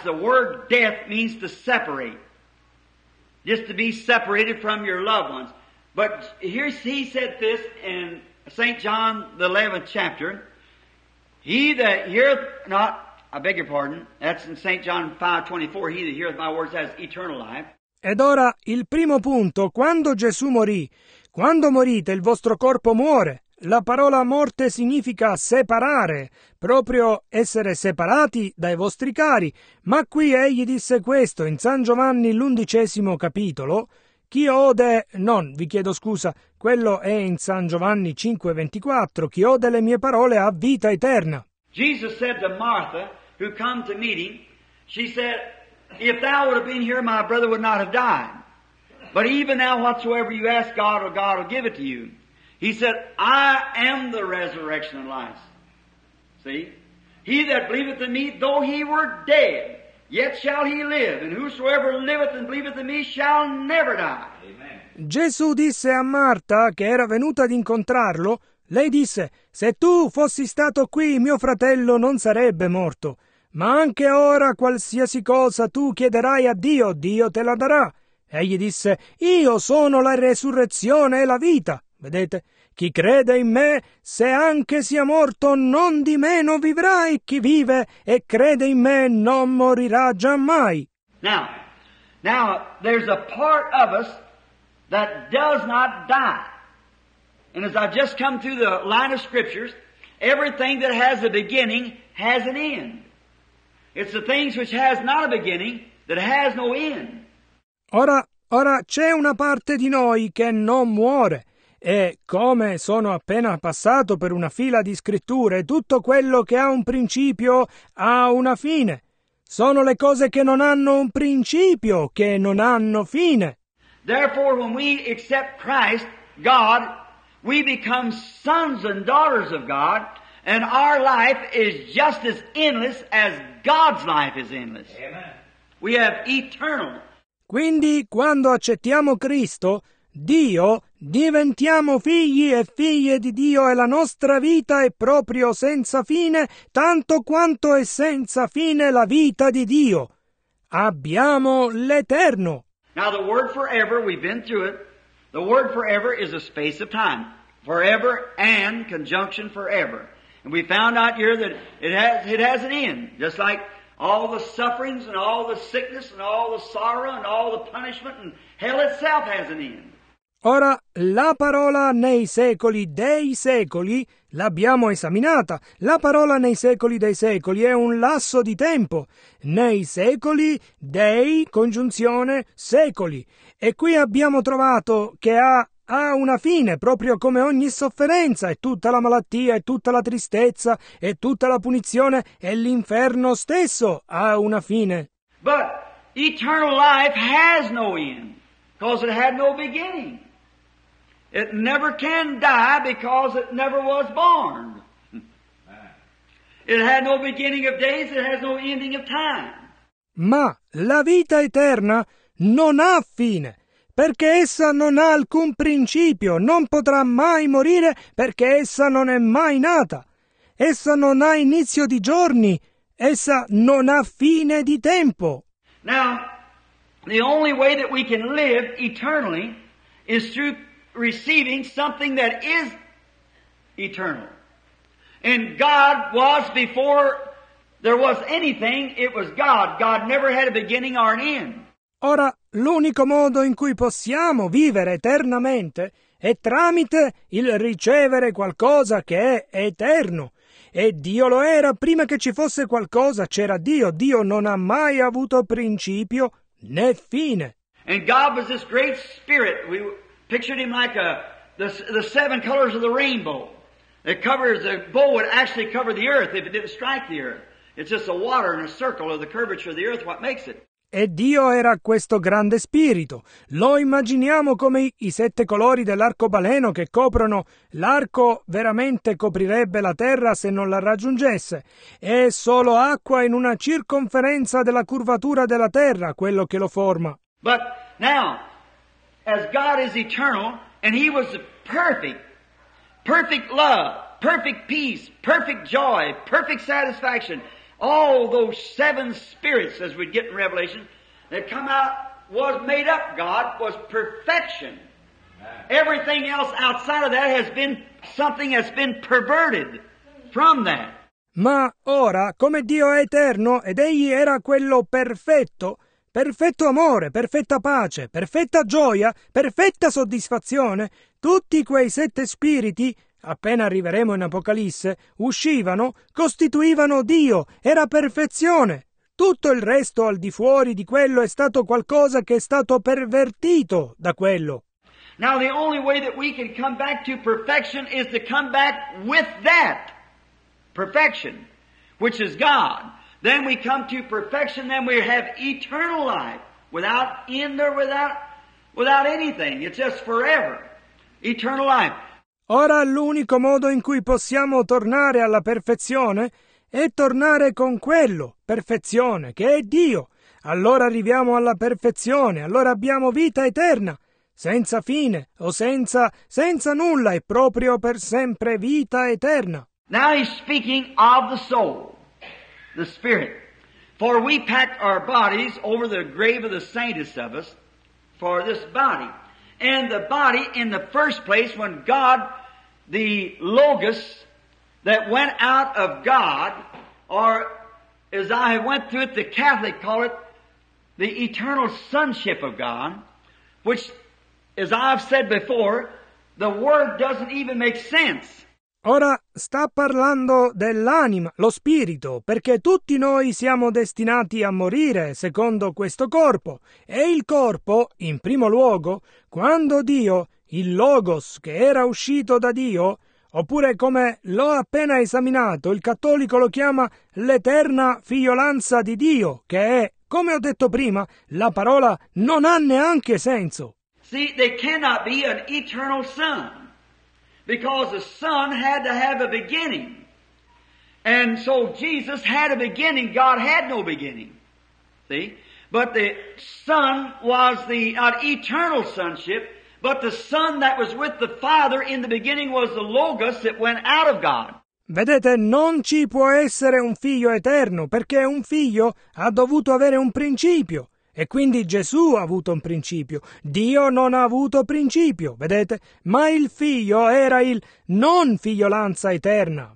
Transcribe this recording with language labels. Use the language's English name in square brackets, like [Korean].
[English] The word death means to separate, just to be separated from your loved ones. But here he said this in St. John, the 11th chapter. He that heareth not, I beg your pardon, that's in St. John 5:24, he that heareth my words has eternal life. [Italian] Ed ora, il primo punto, quando Gesù morì, quando morite, il vostro corpo muore. La parola morte significa separare, proprio essere separati dai vostri cari. Ma qui egli disse questo in San Giovanni l'undicesimo capitolo. Chi ode, non, vi chiedo scusa, quello è in San Giovanni 5:24. Chi ode le mie parole ha vita eterna. [English] Jesus said to Martha, who come to meet him, she said, if thou would have been here, my brother would not have died. But even now, whatsoever you ask God, or God will give it to you. He said, I am the resurrection and life. See? He that believeth in me, though he were dead, yet shall he live. And whosoever liveth and believeth in me shall never die. Amen. [Italian] Gesù disse a Marta, che era venuta ad incontrarlo, lei disse, se tu fossi stato qui, mio fratello non sarebbe morto. Ma anche ora qualsiasi cosa tu chiederai a Dio, Dio te la darà. Egli disse, io sono la resurrezione e la vita. Vedete, chi crede in me, se anche sia morto, non di meno vivrà, e chi vive e crede in me non morirà giammai. [English] Now, there's a part of us that does not die. And as I just come through the line of scriptures, everything that has a beginning has an end. It's the things which has not a beginning that has no end. [Italian] Ora c'è una parte di noi che non muore. E come sono appena passato per una fila di scritture, tutto quello che ha un principio ha una fine. Sono le cose che non hanno un principio che non hanno fine. [English] Therefore, when we accept Christ, God, we become sons and daughters of God, and our life is just as endless as God's life is endless. Amen. We have eternal. [Italian] Quindi, quando accettiamo Cristo, Dio, diventiamo figli e figlie di Dio, e la nostra vita è proprio senza fine, tanto quanto è senza fine la vita di Dio. Abbiamo l'eterno. [English] Now the word forever, we've been through it. The word forever is a space of time. Forever and conjunction forever. And we found out here that it has an end. Just like all the sufferings and all the sickness and all the sorrow and all the punishment and hell itself has an end. [Italian] Ora, la parola nei secoli dei secoli l'abbiamo esaminata. La parola nei secoli dei secoli è un lasso di tempo. Nei secoli, dei, congiunzione, secoli. E qui abbiamo trovato che ha una fine, proprio come ogni sofferenza, e tutta la malattia, e tutta la tristezza, e tutta la punizione, e l'inferno stesso ha una fine. [English] But eternal life has no end, because it had no beginning. It never can die because it never was born. It had no beginning of days, it has no ending of time. [Italian] Ma la vita eterna non ha fine, perché essa non ha alcun principio, non potrà mai morire perché essa non è mai nata. Essa non ha inizio di giorni, essa non ha fine di tempo. [English] Now, the only way that we can live eternally is through receiving something that is eternal. And God was before there was anything, it was God. God never had a beginning or an end. [Italian] Ora, l'unico modo in cui possiamo vivere eternamente è tramite il ricevere qualcosa che è eterno. E Dio lo era prima che ci fosse qualcosa, c'era Dio. Dio non ha mai avuto principio né fine. [English] And God was this great spirit. We pictured him like the seven colors of the rainbow. It covers, the bow would actually cover the earth if it didn't strike the earth. It's just a water and a circle of the curvature of the earth what makes it. [Italian] E Dio era questo grande spirito. Lo immaginiamo come i sette colori dell'arcobaleno che coprono. L'arco veramente coprirebbe la terra se non la raggiungesse. È solo acqua in una circonferenza della curvatura della terra quello che lo forma. [English] But now, as God is eternal, and he was perfect, perfect love, perfect peace, perfect joy, perfect satisfaction, all those seven spirits, as we get in Revelation, that come out, was made up, God, was perfection. Everything else outside of that has been something that's been perverted from that. [Italian] Ma ora, come Dio è eterno, ed egli era quello perfetto, perfetto amore, perfetta pace, perfetta gioia, perfetta soddisfazione, tutti quei sette spiriti, appena arriveremo in Apocalisse, uscivano, costituivano Dio, era perfezione. Tutto il resto al di fuori di quello è stato qualcosa che è stato pervertito da quello. [English] Now the only way that we can come back to perfection is to come back with that perfection. which is God. Then we come to perfection, then we have eternal life, without end or without anything. It's just forever. Eternal life. [Italian] Ora l'unico modo in cui possiamo tornare alla perfezione è tornare con quello, perfezione, che è Dio. Allora arriviamo alla perfezione, allora abbiamo vita eterna, senza fine o senza nulla, e proprio per sempre vita eterna. [English] Now he's speaking of the soul, the spirit. For we packed our bodies over the grave of the saintest of us for this body. And the body in the first place, when God, the Logos, that went out of God, or as I went through it, the Catholic call it, the eternal sonship of God, which, as I've said before, the word doesn't even make sense. [Italian] Ora sta parlando dell'anima, lo spirito, perché tutti noi siamo destinati a morire secondo questo corpo. E il corpo, in primo luogo, quando Dio, il Logos, che era uscito da Dio, oppure come l'ho appena esaminato, il cattolico lo chiama l'eterna figliolanza di Dio, che è, come ho detto prima, la parola non ha neanche senso. [English] See, they cannot be an eternal son. Because the Son had to have a beginning. And so Jesus had a beginning. God had no beginning. See? But the Son was the eternal sonship. But the Son that was with the Father in the beginning was the Logos that went out of God. [Italian] Vedete, non ci può essere un figlio eterno, perché un figlio ha dovuto avere un principio. E quindi Gesù ha avuto un principio. Dio non ha avuto principio, vedete? Ma il figlio era il non figliolanza eterna.